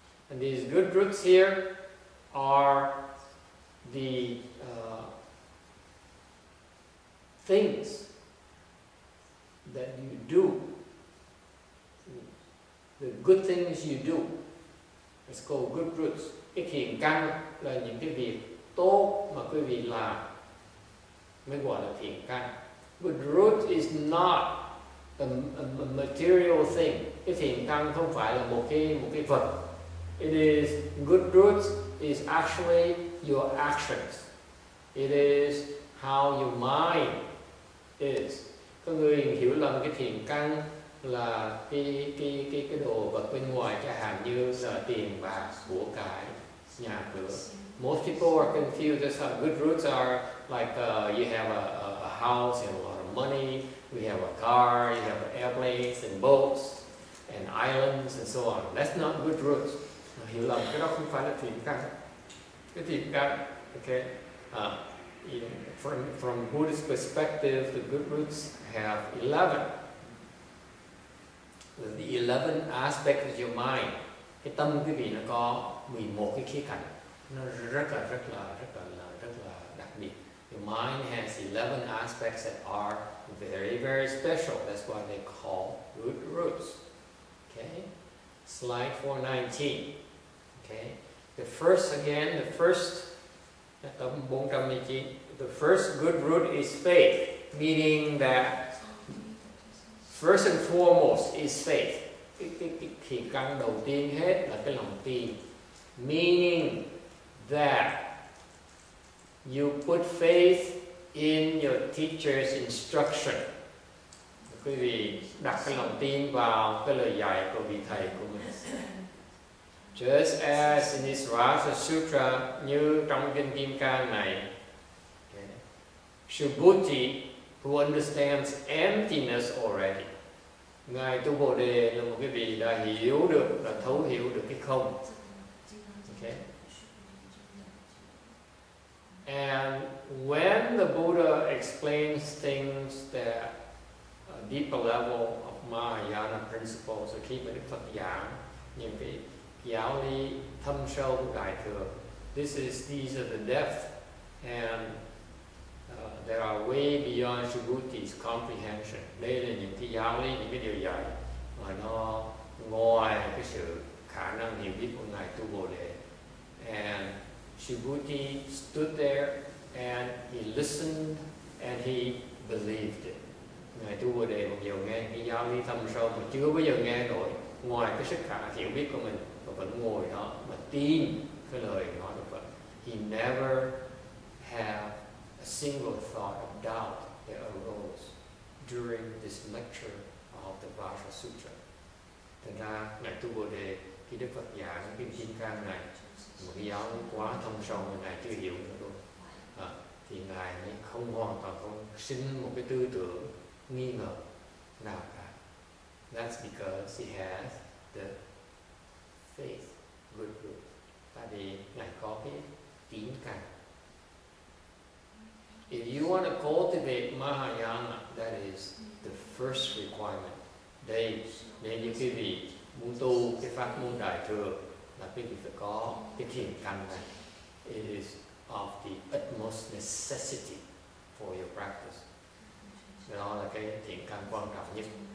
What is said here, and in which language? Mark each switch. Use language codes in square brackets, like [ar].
[en] And these good roots here are the things that you do, the good things you do. It's called good roots. [vi] Cái thiền căn là những cái việc tốt mà quý vị làm mới gọi là thiền căn. [en] Good root is not a material thing. [vi] Cái thiền căn không phải là một cái vật. [en] It is good roots is actually your actions. It is how your mind is. [vi] Có người hiểu lầm cái thiền căn là cái đồ vật bên ngoài, chẳng hạn như là tiền bạc của cải, nhà cửa. [en] Most people are confused that good roots are like you have a house and a lot of money. We have a car, you have airplanes and boats and islands and so on. That's not good roots. [vi] Hiểu lầm, cái đó không phải là thiền căn. Cái thiền căn, okay. [en] You know, from Buddhist perspective, the good roots have 11. The 11 aspects of your mind. [vi] Cái tâm quý vị nó có 11 cái khía cạnh. Nó rất là đặc biệt. [en] Your mind has 11 aspects that are very, very special. That's what they call good roots. Okay? Slide 419. Okay? The first good root is faith, meaning that first and foremost is faith. [vi] Cái thiền căn đầu tiên hết là cái lòng tin. [en] Meaning that you put faith in your teacher's instruction. [vi] Quý vị đặt cái lòng tin vào cái lời dạy của vị thầy của mình. [en] Just as in this Vajra Sutra, [vi] như trong kinh Kim Cang này, [en] okay. Subhuti, who understands emptiness already. [vi] Ngài Tu Bồ Đề là một cái vị đã hiểu được, đã thấu hiểu được cái không. [en] Okay. And when the Buddha explains things that a deeper level of Mahayana principles, the key [vi] Đức Phật giảng, những cái giáo lý thâm sâu của Đại Thừa, [en] these are the depth, and they are way beyond Subhuti's comprehension. [vi] Đây là những cái giáo lý, những cái điều dạy mà nó ngoài cái sự khả năng hiểu biết của Ngài Tu Bồ Đề. [en] And Subhuti stood there and he listened and he believed it. [vi] Ngài Tu Bồ Đề mặc dù nghe cái giáo lý thâm sâu mà chưa bao giờ nghe rồi, ngoài cái sức khả hiểu biết của mình, mà vẫn ngồi đó mà tin cái lời nói của Phật. [en] He never have a single thought of doubt that arose during this lecture of the Vajra Sutra. [vi] Thành ra, Ngài Tu Bồ Đề, khi Đức Phật giảng cái Kim Cang này, một cái giáo quá thông sâu mà Ngài chưa hiểu nữa rồi, thì Ngài không hoàn toàn không sinh một cái tư tưởng nghi ngờ nào cả. [en] That's because he has the faith, good root. [vi] Tại vì Ngài có cái tín căn. [en] If you want to cultivate Mahayana, that is the first requirement. [vi] Đây, nên như quý vị muốn tu cái pháp môn Đại Thừa, là quý vị phải có cái thiền căn này. [en] It is of the utmost necessity for your practice. [vi] Đó là cái thiền căn quan trọng nhất.